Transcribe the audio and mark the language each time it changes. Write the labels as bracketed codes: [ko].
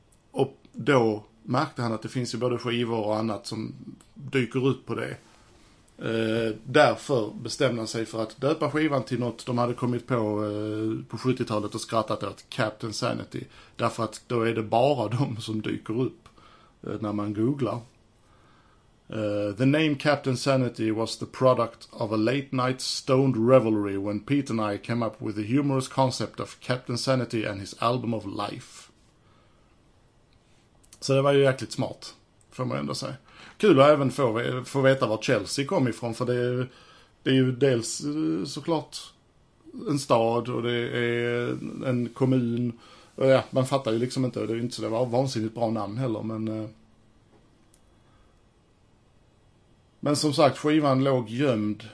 [sv] Och då märkte han att det finns ju både skivor och annat som dyker ut på det. Därför bestämde han sig för att döpa skivan till något de hade kommit på 70-talet och skrattat åt, Captain Sanity. Därför att då är det bara de som dyker upp när man googlar. [en] The name Captain Sanity was the product of a late night stoned revelry when Pete and I came up with the humorous concept of Captain Sanity and his album of life. [sv] Så det var ju jäkligt smart, får man ändå säga. Kul att även få veta var Chelsea kom ifrån, för det är ju dels såklart en stad och det är en kommun. Och ja, man fattar ju liksom inte, det är inte så det var vansinnigt bra namn heller, men som sagt, skivan låg gömd.